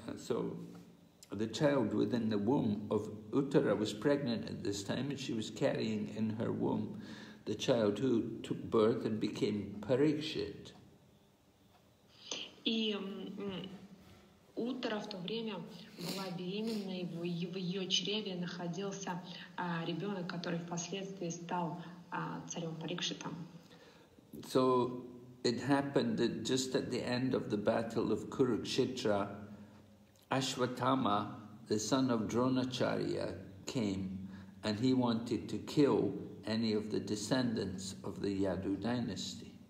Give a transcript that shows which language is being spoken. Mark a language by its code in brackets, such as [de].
[en] So the child within the womb of Uttara was pregnant at this time, and she was carrying in her womb the child who took birth and became Parikshit. [ru] И Уттара в то время была беременна, и в ее чреве находился ребенок, который впоследствии стал царем Парикшитом. [en] So it happened that just at the end of the battle of Kurukshetra, Ashwatthama, the son of Dronacharya, came, and he wanted to kill any of the descendants of the Yadu dynasty.